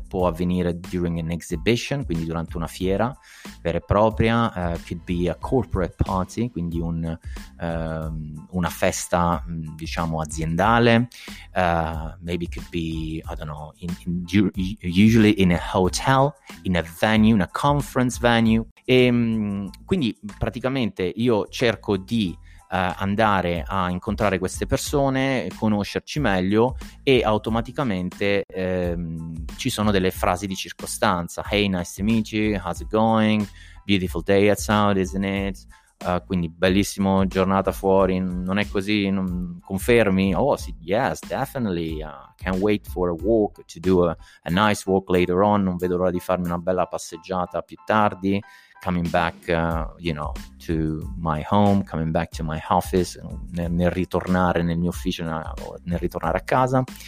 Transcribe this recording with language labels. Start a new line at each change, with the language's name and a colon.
Italian: Può avvenire
English: during an exhibition,
Italian: quindi durante una fiera vera e propria,
English: could be a corporate party,
Italian: quindi una festa, diciamo, aziendale,
English: maybe could be, I don't know, usually in a hotel, in a venue, in a conference venue.
Italian: E quindi praticamente io cerco di andare a incontrare queste persone, conoscerci meglio, e automaticamente ci sono delle frasi di circostanza.
English: Hey, nice to meet you, how's it going? Beautiful day outside, isn't it?
Italian: Quindi bellissimo giornata fuori, non è così? Confermi?
English: Oh, sì, yes, definitely, can't wait for a walk, to do a nice walk later on,
Italian: non vedo l'ora di farmi una bella passeggiata più tardi.
English: Coming back, you know, to my home, coming back to my office,
Italian: nel ritornare nel mio ufficio, nel ritornare a casa.